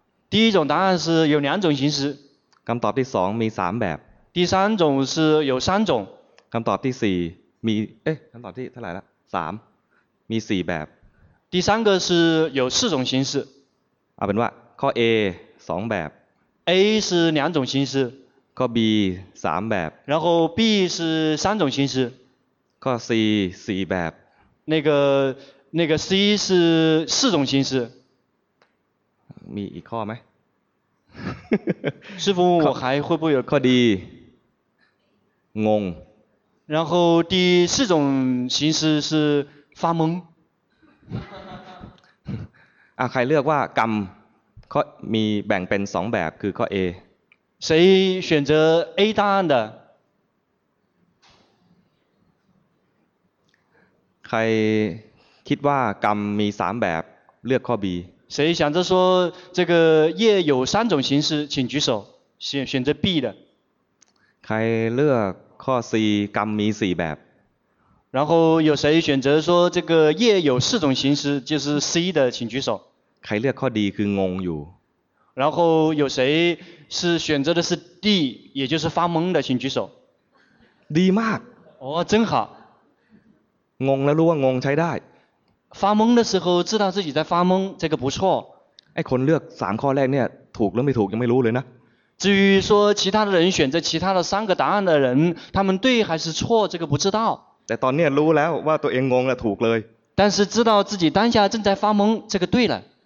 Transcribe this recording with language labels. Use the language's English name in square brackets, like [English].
[Chinese] 第一种答案是有两种形式 [Thai] คำตอบที่2มี3แบบ [Chinese] 第三种是有3种 [Thai] คำตอบที่4มีคำตอบที่เท่าไหร่ละ3มี4แบบ [Chinese] 第三个是有4种形式 [Thai] เอาเป็นว่าข้อ A 2แบบ [Chinese] A 是两种形式 [Thai] ข้อ B 3แบบ [Chinese] 然后 B 是3种形式 [Thai] ข้อ C 4แบบ [Chinese] 那个 C 是4种形式 [Thai] มีอีกข้อไหม [Chinese] 师父我还会不会有 [Thai] ข้อ D งง [Chinese] 然后第4种形式是发懵 [Thai] ใครเลือกว่ากรรมมีแบ่งเป็น2แบบคือข้อ A [Chinese] 谁选择 A 答案的 [Thai] ใครคิดว่ากรรมมี3แบบเลือกข้อ B [Chinese] 谁想着说这个业有3种形式请举手选择 B 的 [Thai] ใครเลือกข้อ C กรรมมี4แบบ [Chinese] 然后有谁选择说这个业有4种形式就是 C 的请举手 [Thai] ใครเลือกข้อ D คืองงอยู่ [Chinese] 然后有谁是选择的是 D 也就是发懵的请举手 [Thai] ดีมาก [Chinese] 哦真好 [Thai] งงแล้วรู้ว่างงใช้ได้ [Chinese] 发懵的时候知道自己在发懵这个不错 [Thai] ไอ้คนเลือก3ข้อแรกเนี่ยถูกหรือไม่ถูกยังไม่รู้เลยนะ [Chinese] 至于说其他的人选择其他的三个答案的人他们对还是错这个不知道 [Thai] แต่ตอนนี้รู้แล้วว่าตัวเองงงแล้วถูกเลย [Chinese] 但是知道自己当下正在发懵这个对了